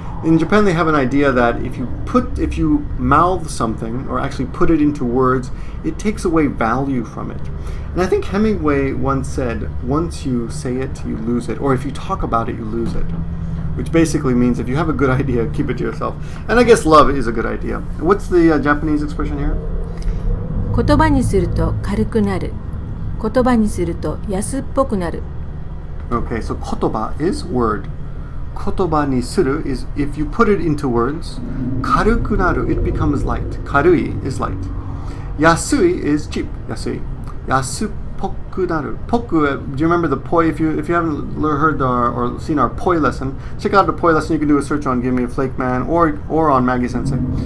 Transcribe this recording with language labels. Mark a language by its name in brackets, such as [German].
[English] In Japan, they have an idea that if you mouth something or actually put it into words, it takes away value from it. And I think Hemingway once said, once you say it, you lose it. Or if you talk about it, you lose it. Which basically means if you have a good idea, keep it to yourself. And I guess love is a good idea. What's the Japanese expression here? [Japanese] 言葉にすると軽くなる.言葉にすると安っぽくなる. [English] Okay, so 言葉 is word. 言葉にする is if you put it into words. 軽くなる, it becomes light. 軽い is light. 安い is cheap. 安い. 安っぽくなる.ぽく, do you remember the poi? If you haven't heard or seen our poi lesson, check out the poi lesson. You can do a search on Give Me a Flake Man or on Maggie Sensei.